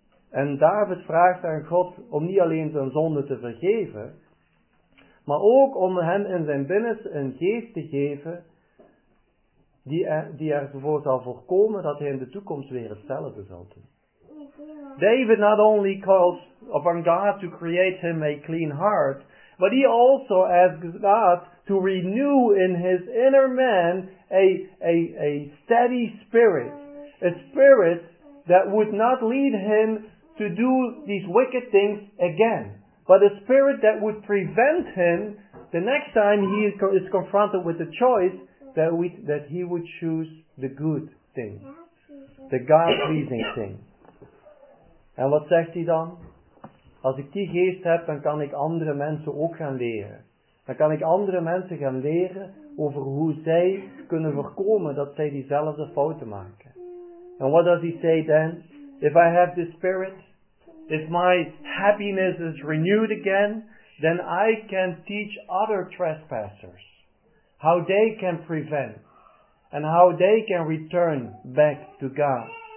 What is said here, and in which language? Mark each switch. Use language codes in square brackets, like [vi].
[nl] En David vraagt aan God om niet alleen zijn zonde te vergeven, maar ook om hem in zijn binnenste een geest te geven die ervoor zal voorkomen dat hij in de toekomst weer hetzelfde zal doen. [en] David not only calls on God to create him a clean heart, but he also asks God to renew in his inner man a steady spirit, a spirit that would not lead him to do these wicked things again, but a spirit that would prevent him the next time he is confronted with the choice that he would choose the good thing, the God-pleasing thing. [nl] En wat zegt hij dan? Als ik die geest heb, dan kan ik andere mensen ook gaan leren. Dan kan ik andere mensen gaan leren over hoe zij kunnen voorkomen dat zij diezelfde fouten maken. [en] And what does he say then? If I have this spirit, if my happiness is renewed again, then I can teach other trespassers how they can prevent and how they can return back to God.